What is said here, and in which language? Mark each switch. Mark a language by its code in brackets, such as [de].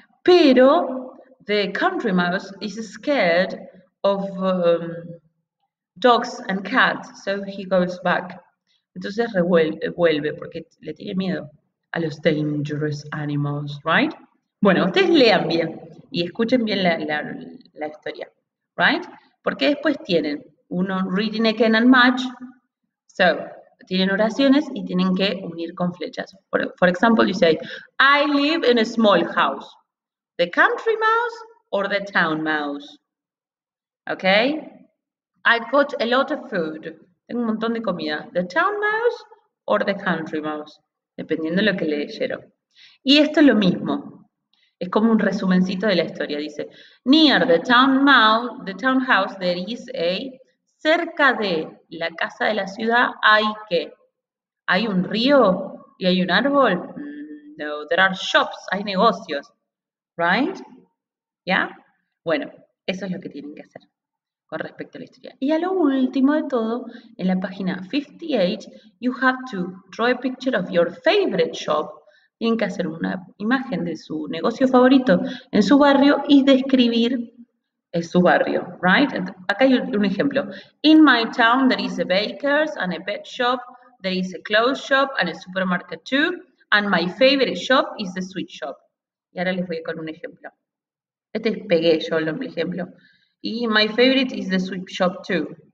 [en] Pero the country mouse is scared of dogs and cats, so he goes back. [es] Entonces vuelve porque le tiene miedo a los [en] dangerous animals, [es] right? Bueno, ustedes lean bien y escuchen bien la historia, right? Porque después tienen uno [en] reading again and match, [es] so tienen oraciones y tienen que unir con flechas. [en] For example, you say, I live in a small house. The country mouse or the town mouse? Okay. I got a lot of food. [es] Tengo un montón de comida. [en] The town mouse or the country mouse? [es] Dependiendo de lo que leyeron. Y esto es lo mismo. Es como un resumencito de la historia. [en] Dice, near the town mouse, the town house, there is a. [es] Cerca de la casa de la ciudad hay ¿qué? ¿Hay un río y hay un árbol? No, [en] there are shops, [es] hay negocios. Right? ¿Ya? Bueno, eso es lo que tienen que hacer con respecto a la historia. Y a lo último de todo, en la página 58, [en] you have to draw a picture of your favorite shop. [es] Tienen que hacer una imagen de su negocio favorito en su barrio y describir es su barrio, right? Acá hay un ejemplo. [en] In my town there is a baker's and a pet shop, there is a clothes shop and a supermarket too, and my favorite shop is the sweet shop. [es] Y ahora les voy con un ejemplo. Este pegué yo el ejemplo. [en] Y my favorite is the sweet shop too.